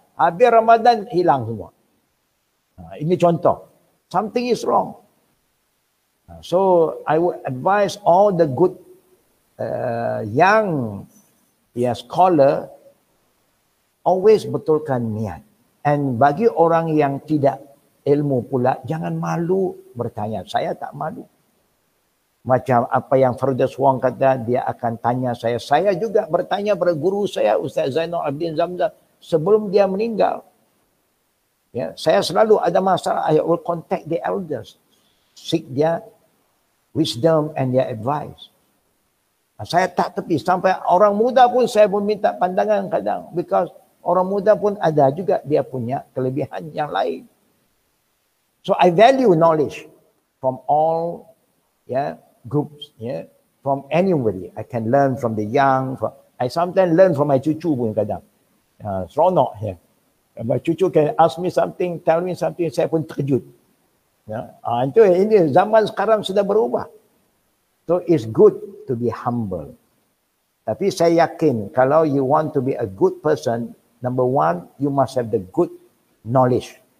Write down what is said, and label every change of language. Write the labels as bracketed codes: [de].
[ms] Habis Ramadan, hilang semua. Ini contoh. [en] Something is wrong. So, I would advise all the good young scholar, always [ms] betulkan niat. And bagi orang yang tidak ilmu pula, jangan malu bertanya. Saya tak malu. Macam apa yang Fardas Wong kata, dia akan tanya saya. Saya juga bertanya pada guru saya, Ustaz Zainal Abidin Zamzam, sebelum dia meninggal. Ya, saya selalu ada masalah, [en] I will contact the elders, seek their wisdom and their advice. [ms] Saya tak tepi, sampai orang muda pun saya pun minta pandangan kadang, because orang muda pun ada juga dia punya kelebihan yang lain. [en] So I value knowledge from all groups, from anybody. I can learn from the young, I sometimes learn from my cucu [ms] pun kadang. Seronok ya. [en] My cucu can ask me something, tell me something, [ms] saya pun terkejut. [en] Yeah. [ms] Itu ini zaman sekarang sudah berubah. [en] So it's good to be humble. [ms] Tapi saya yakin kalau [en] you want to be a good person, number one, you must have the good knowledge.